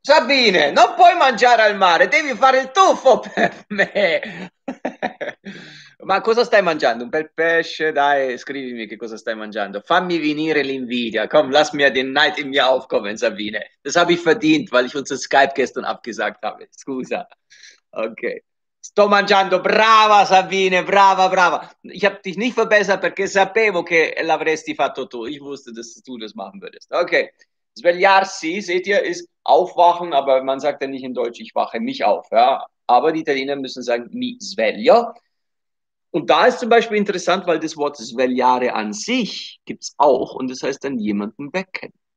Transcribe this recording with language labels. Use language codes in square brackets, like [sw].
[it] Sabine, non puoi mangiare al mare, devi fare il tuffo per me. Ma cosa stai mangiando? Un bel pesce? Dai, scrivimi che cosa stai mangiando. Fammi venire l'invidia. [de] Komm, lass mir den Neid in mir aufkommen, Sabine. Das habe ich verdient, weil ich unser Skype gestern abgesagt habe. [it] Scusa. Okay. Sto mangiando, brava Sabine, brava, brava. [de] Ich habe dich nicht verbessert, [it] perché sapevo che l'avresti fatto tu. [de] Ich wusste, dass du das machen würdest. Okay. Svegliarsi, seht ihr, ist aufwachen, aber man sagt ja nicht in Deutsch, ich wache mich auf. Ja? Aber die Italiener müssen sagen, [it] mi sveglio. [de] Und da ist zum Beispiel interessant, weil das Wort svegliare an sich gibt es auch und das heißt dann jemanden wecken.